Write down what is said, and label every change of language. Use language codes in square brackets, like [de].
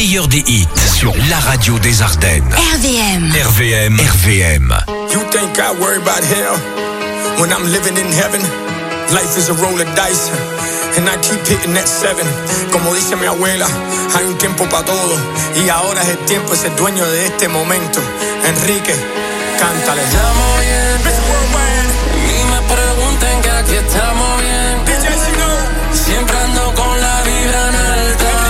[fr] Des hits sur la radio des Ardennes. RVM. RVM. RVM. [en] You think I worry about hell when I'm living in heaven? Life is a roll of dice, and I keep hitting that seven. [es] Como dice mi abuela, hay un tiempo para todo, y ahora es el tiempo, es el dueño de este momento. Enrique, cántale. Estamos bien, Mr. Worldwide. Y me pregunten que aquí estamos bien. DJ Sino. Siempre ando con la vibra en alta.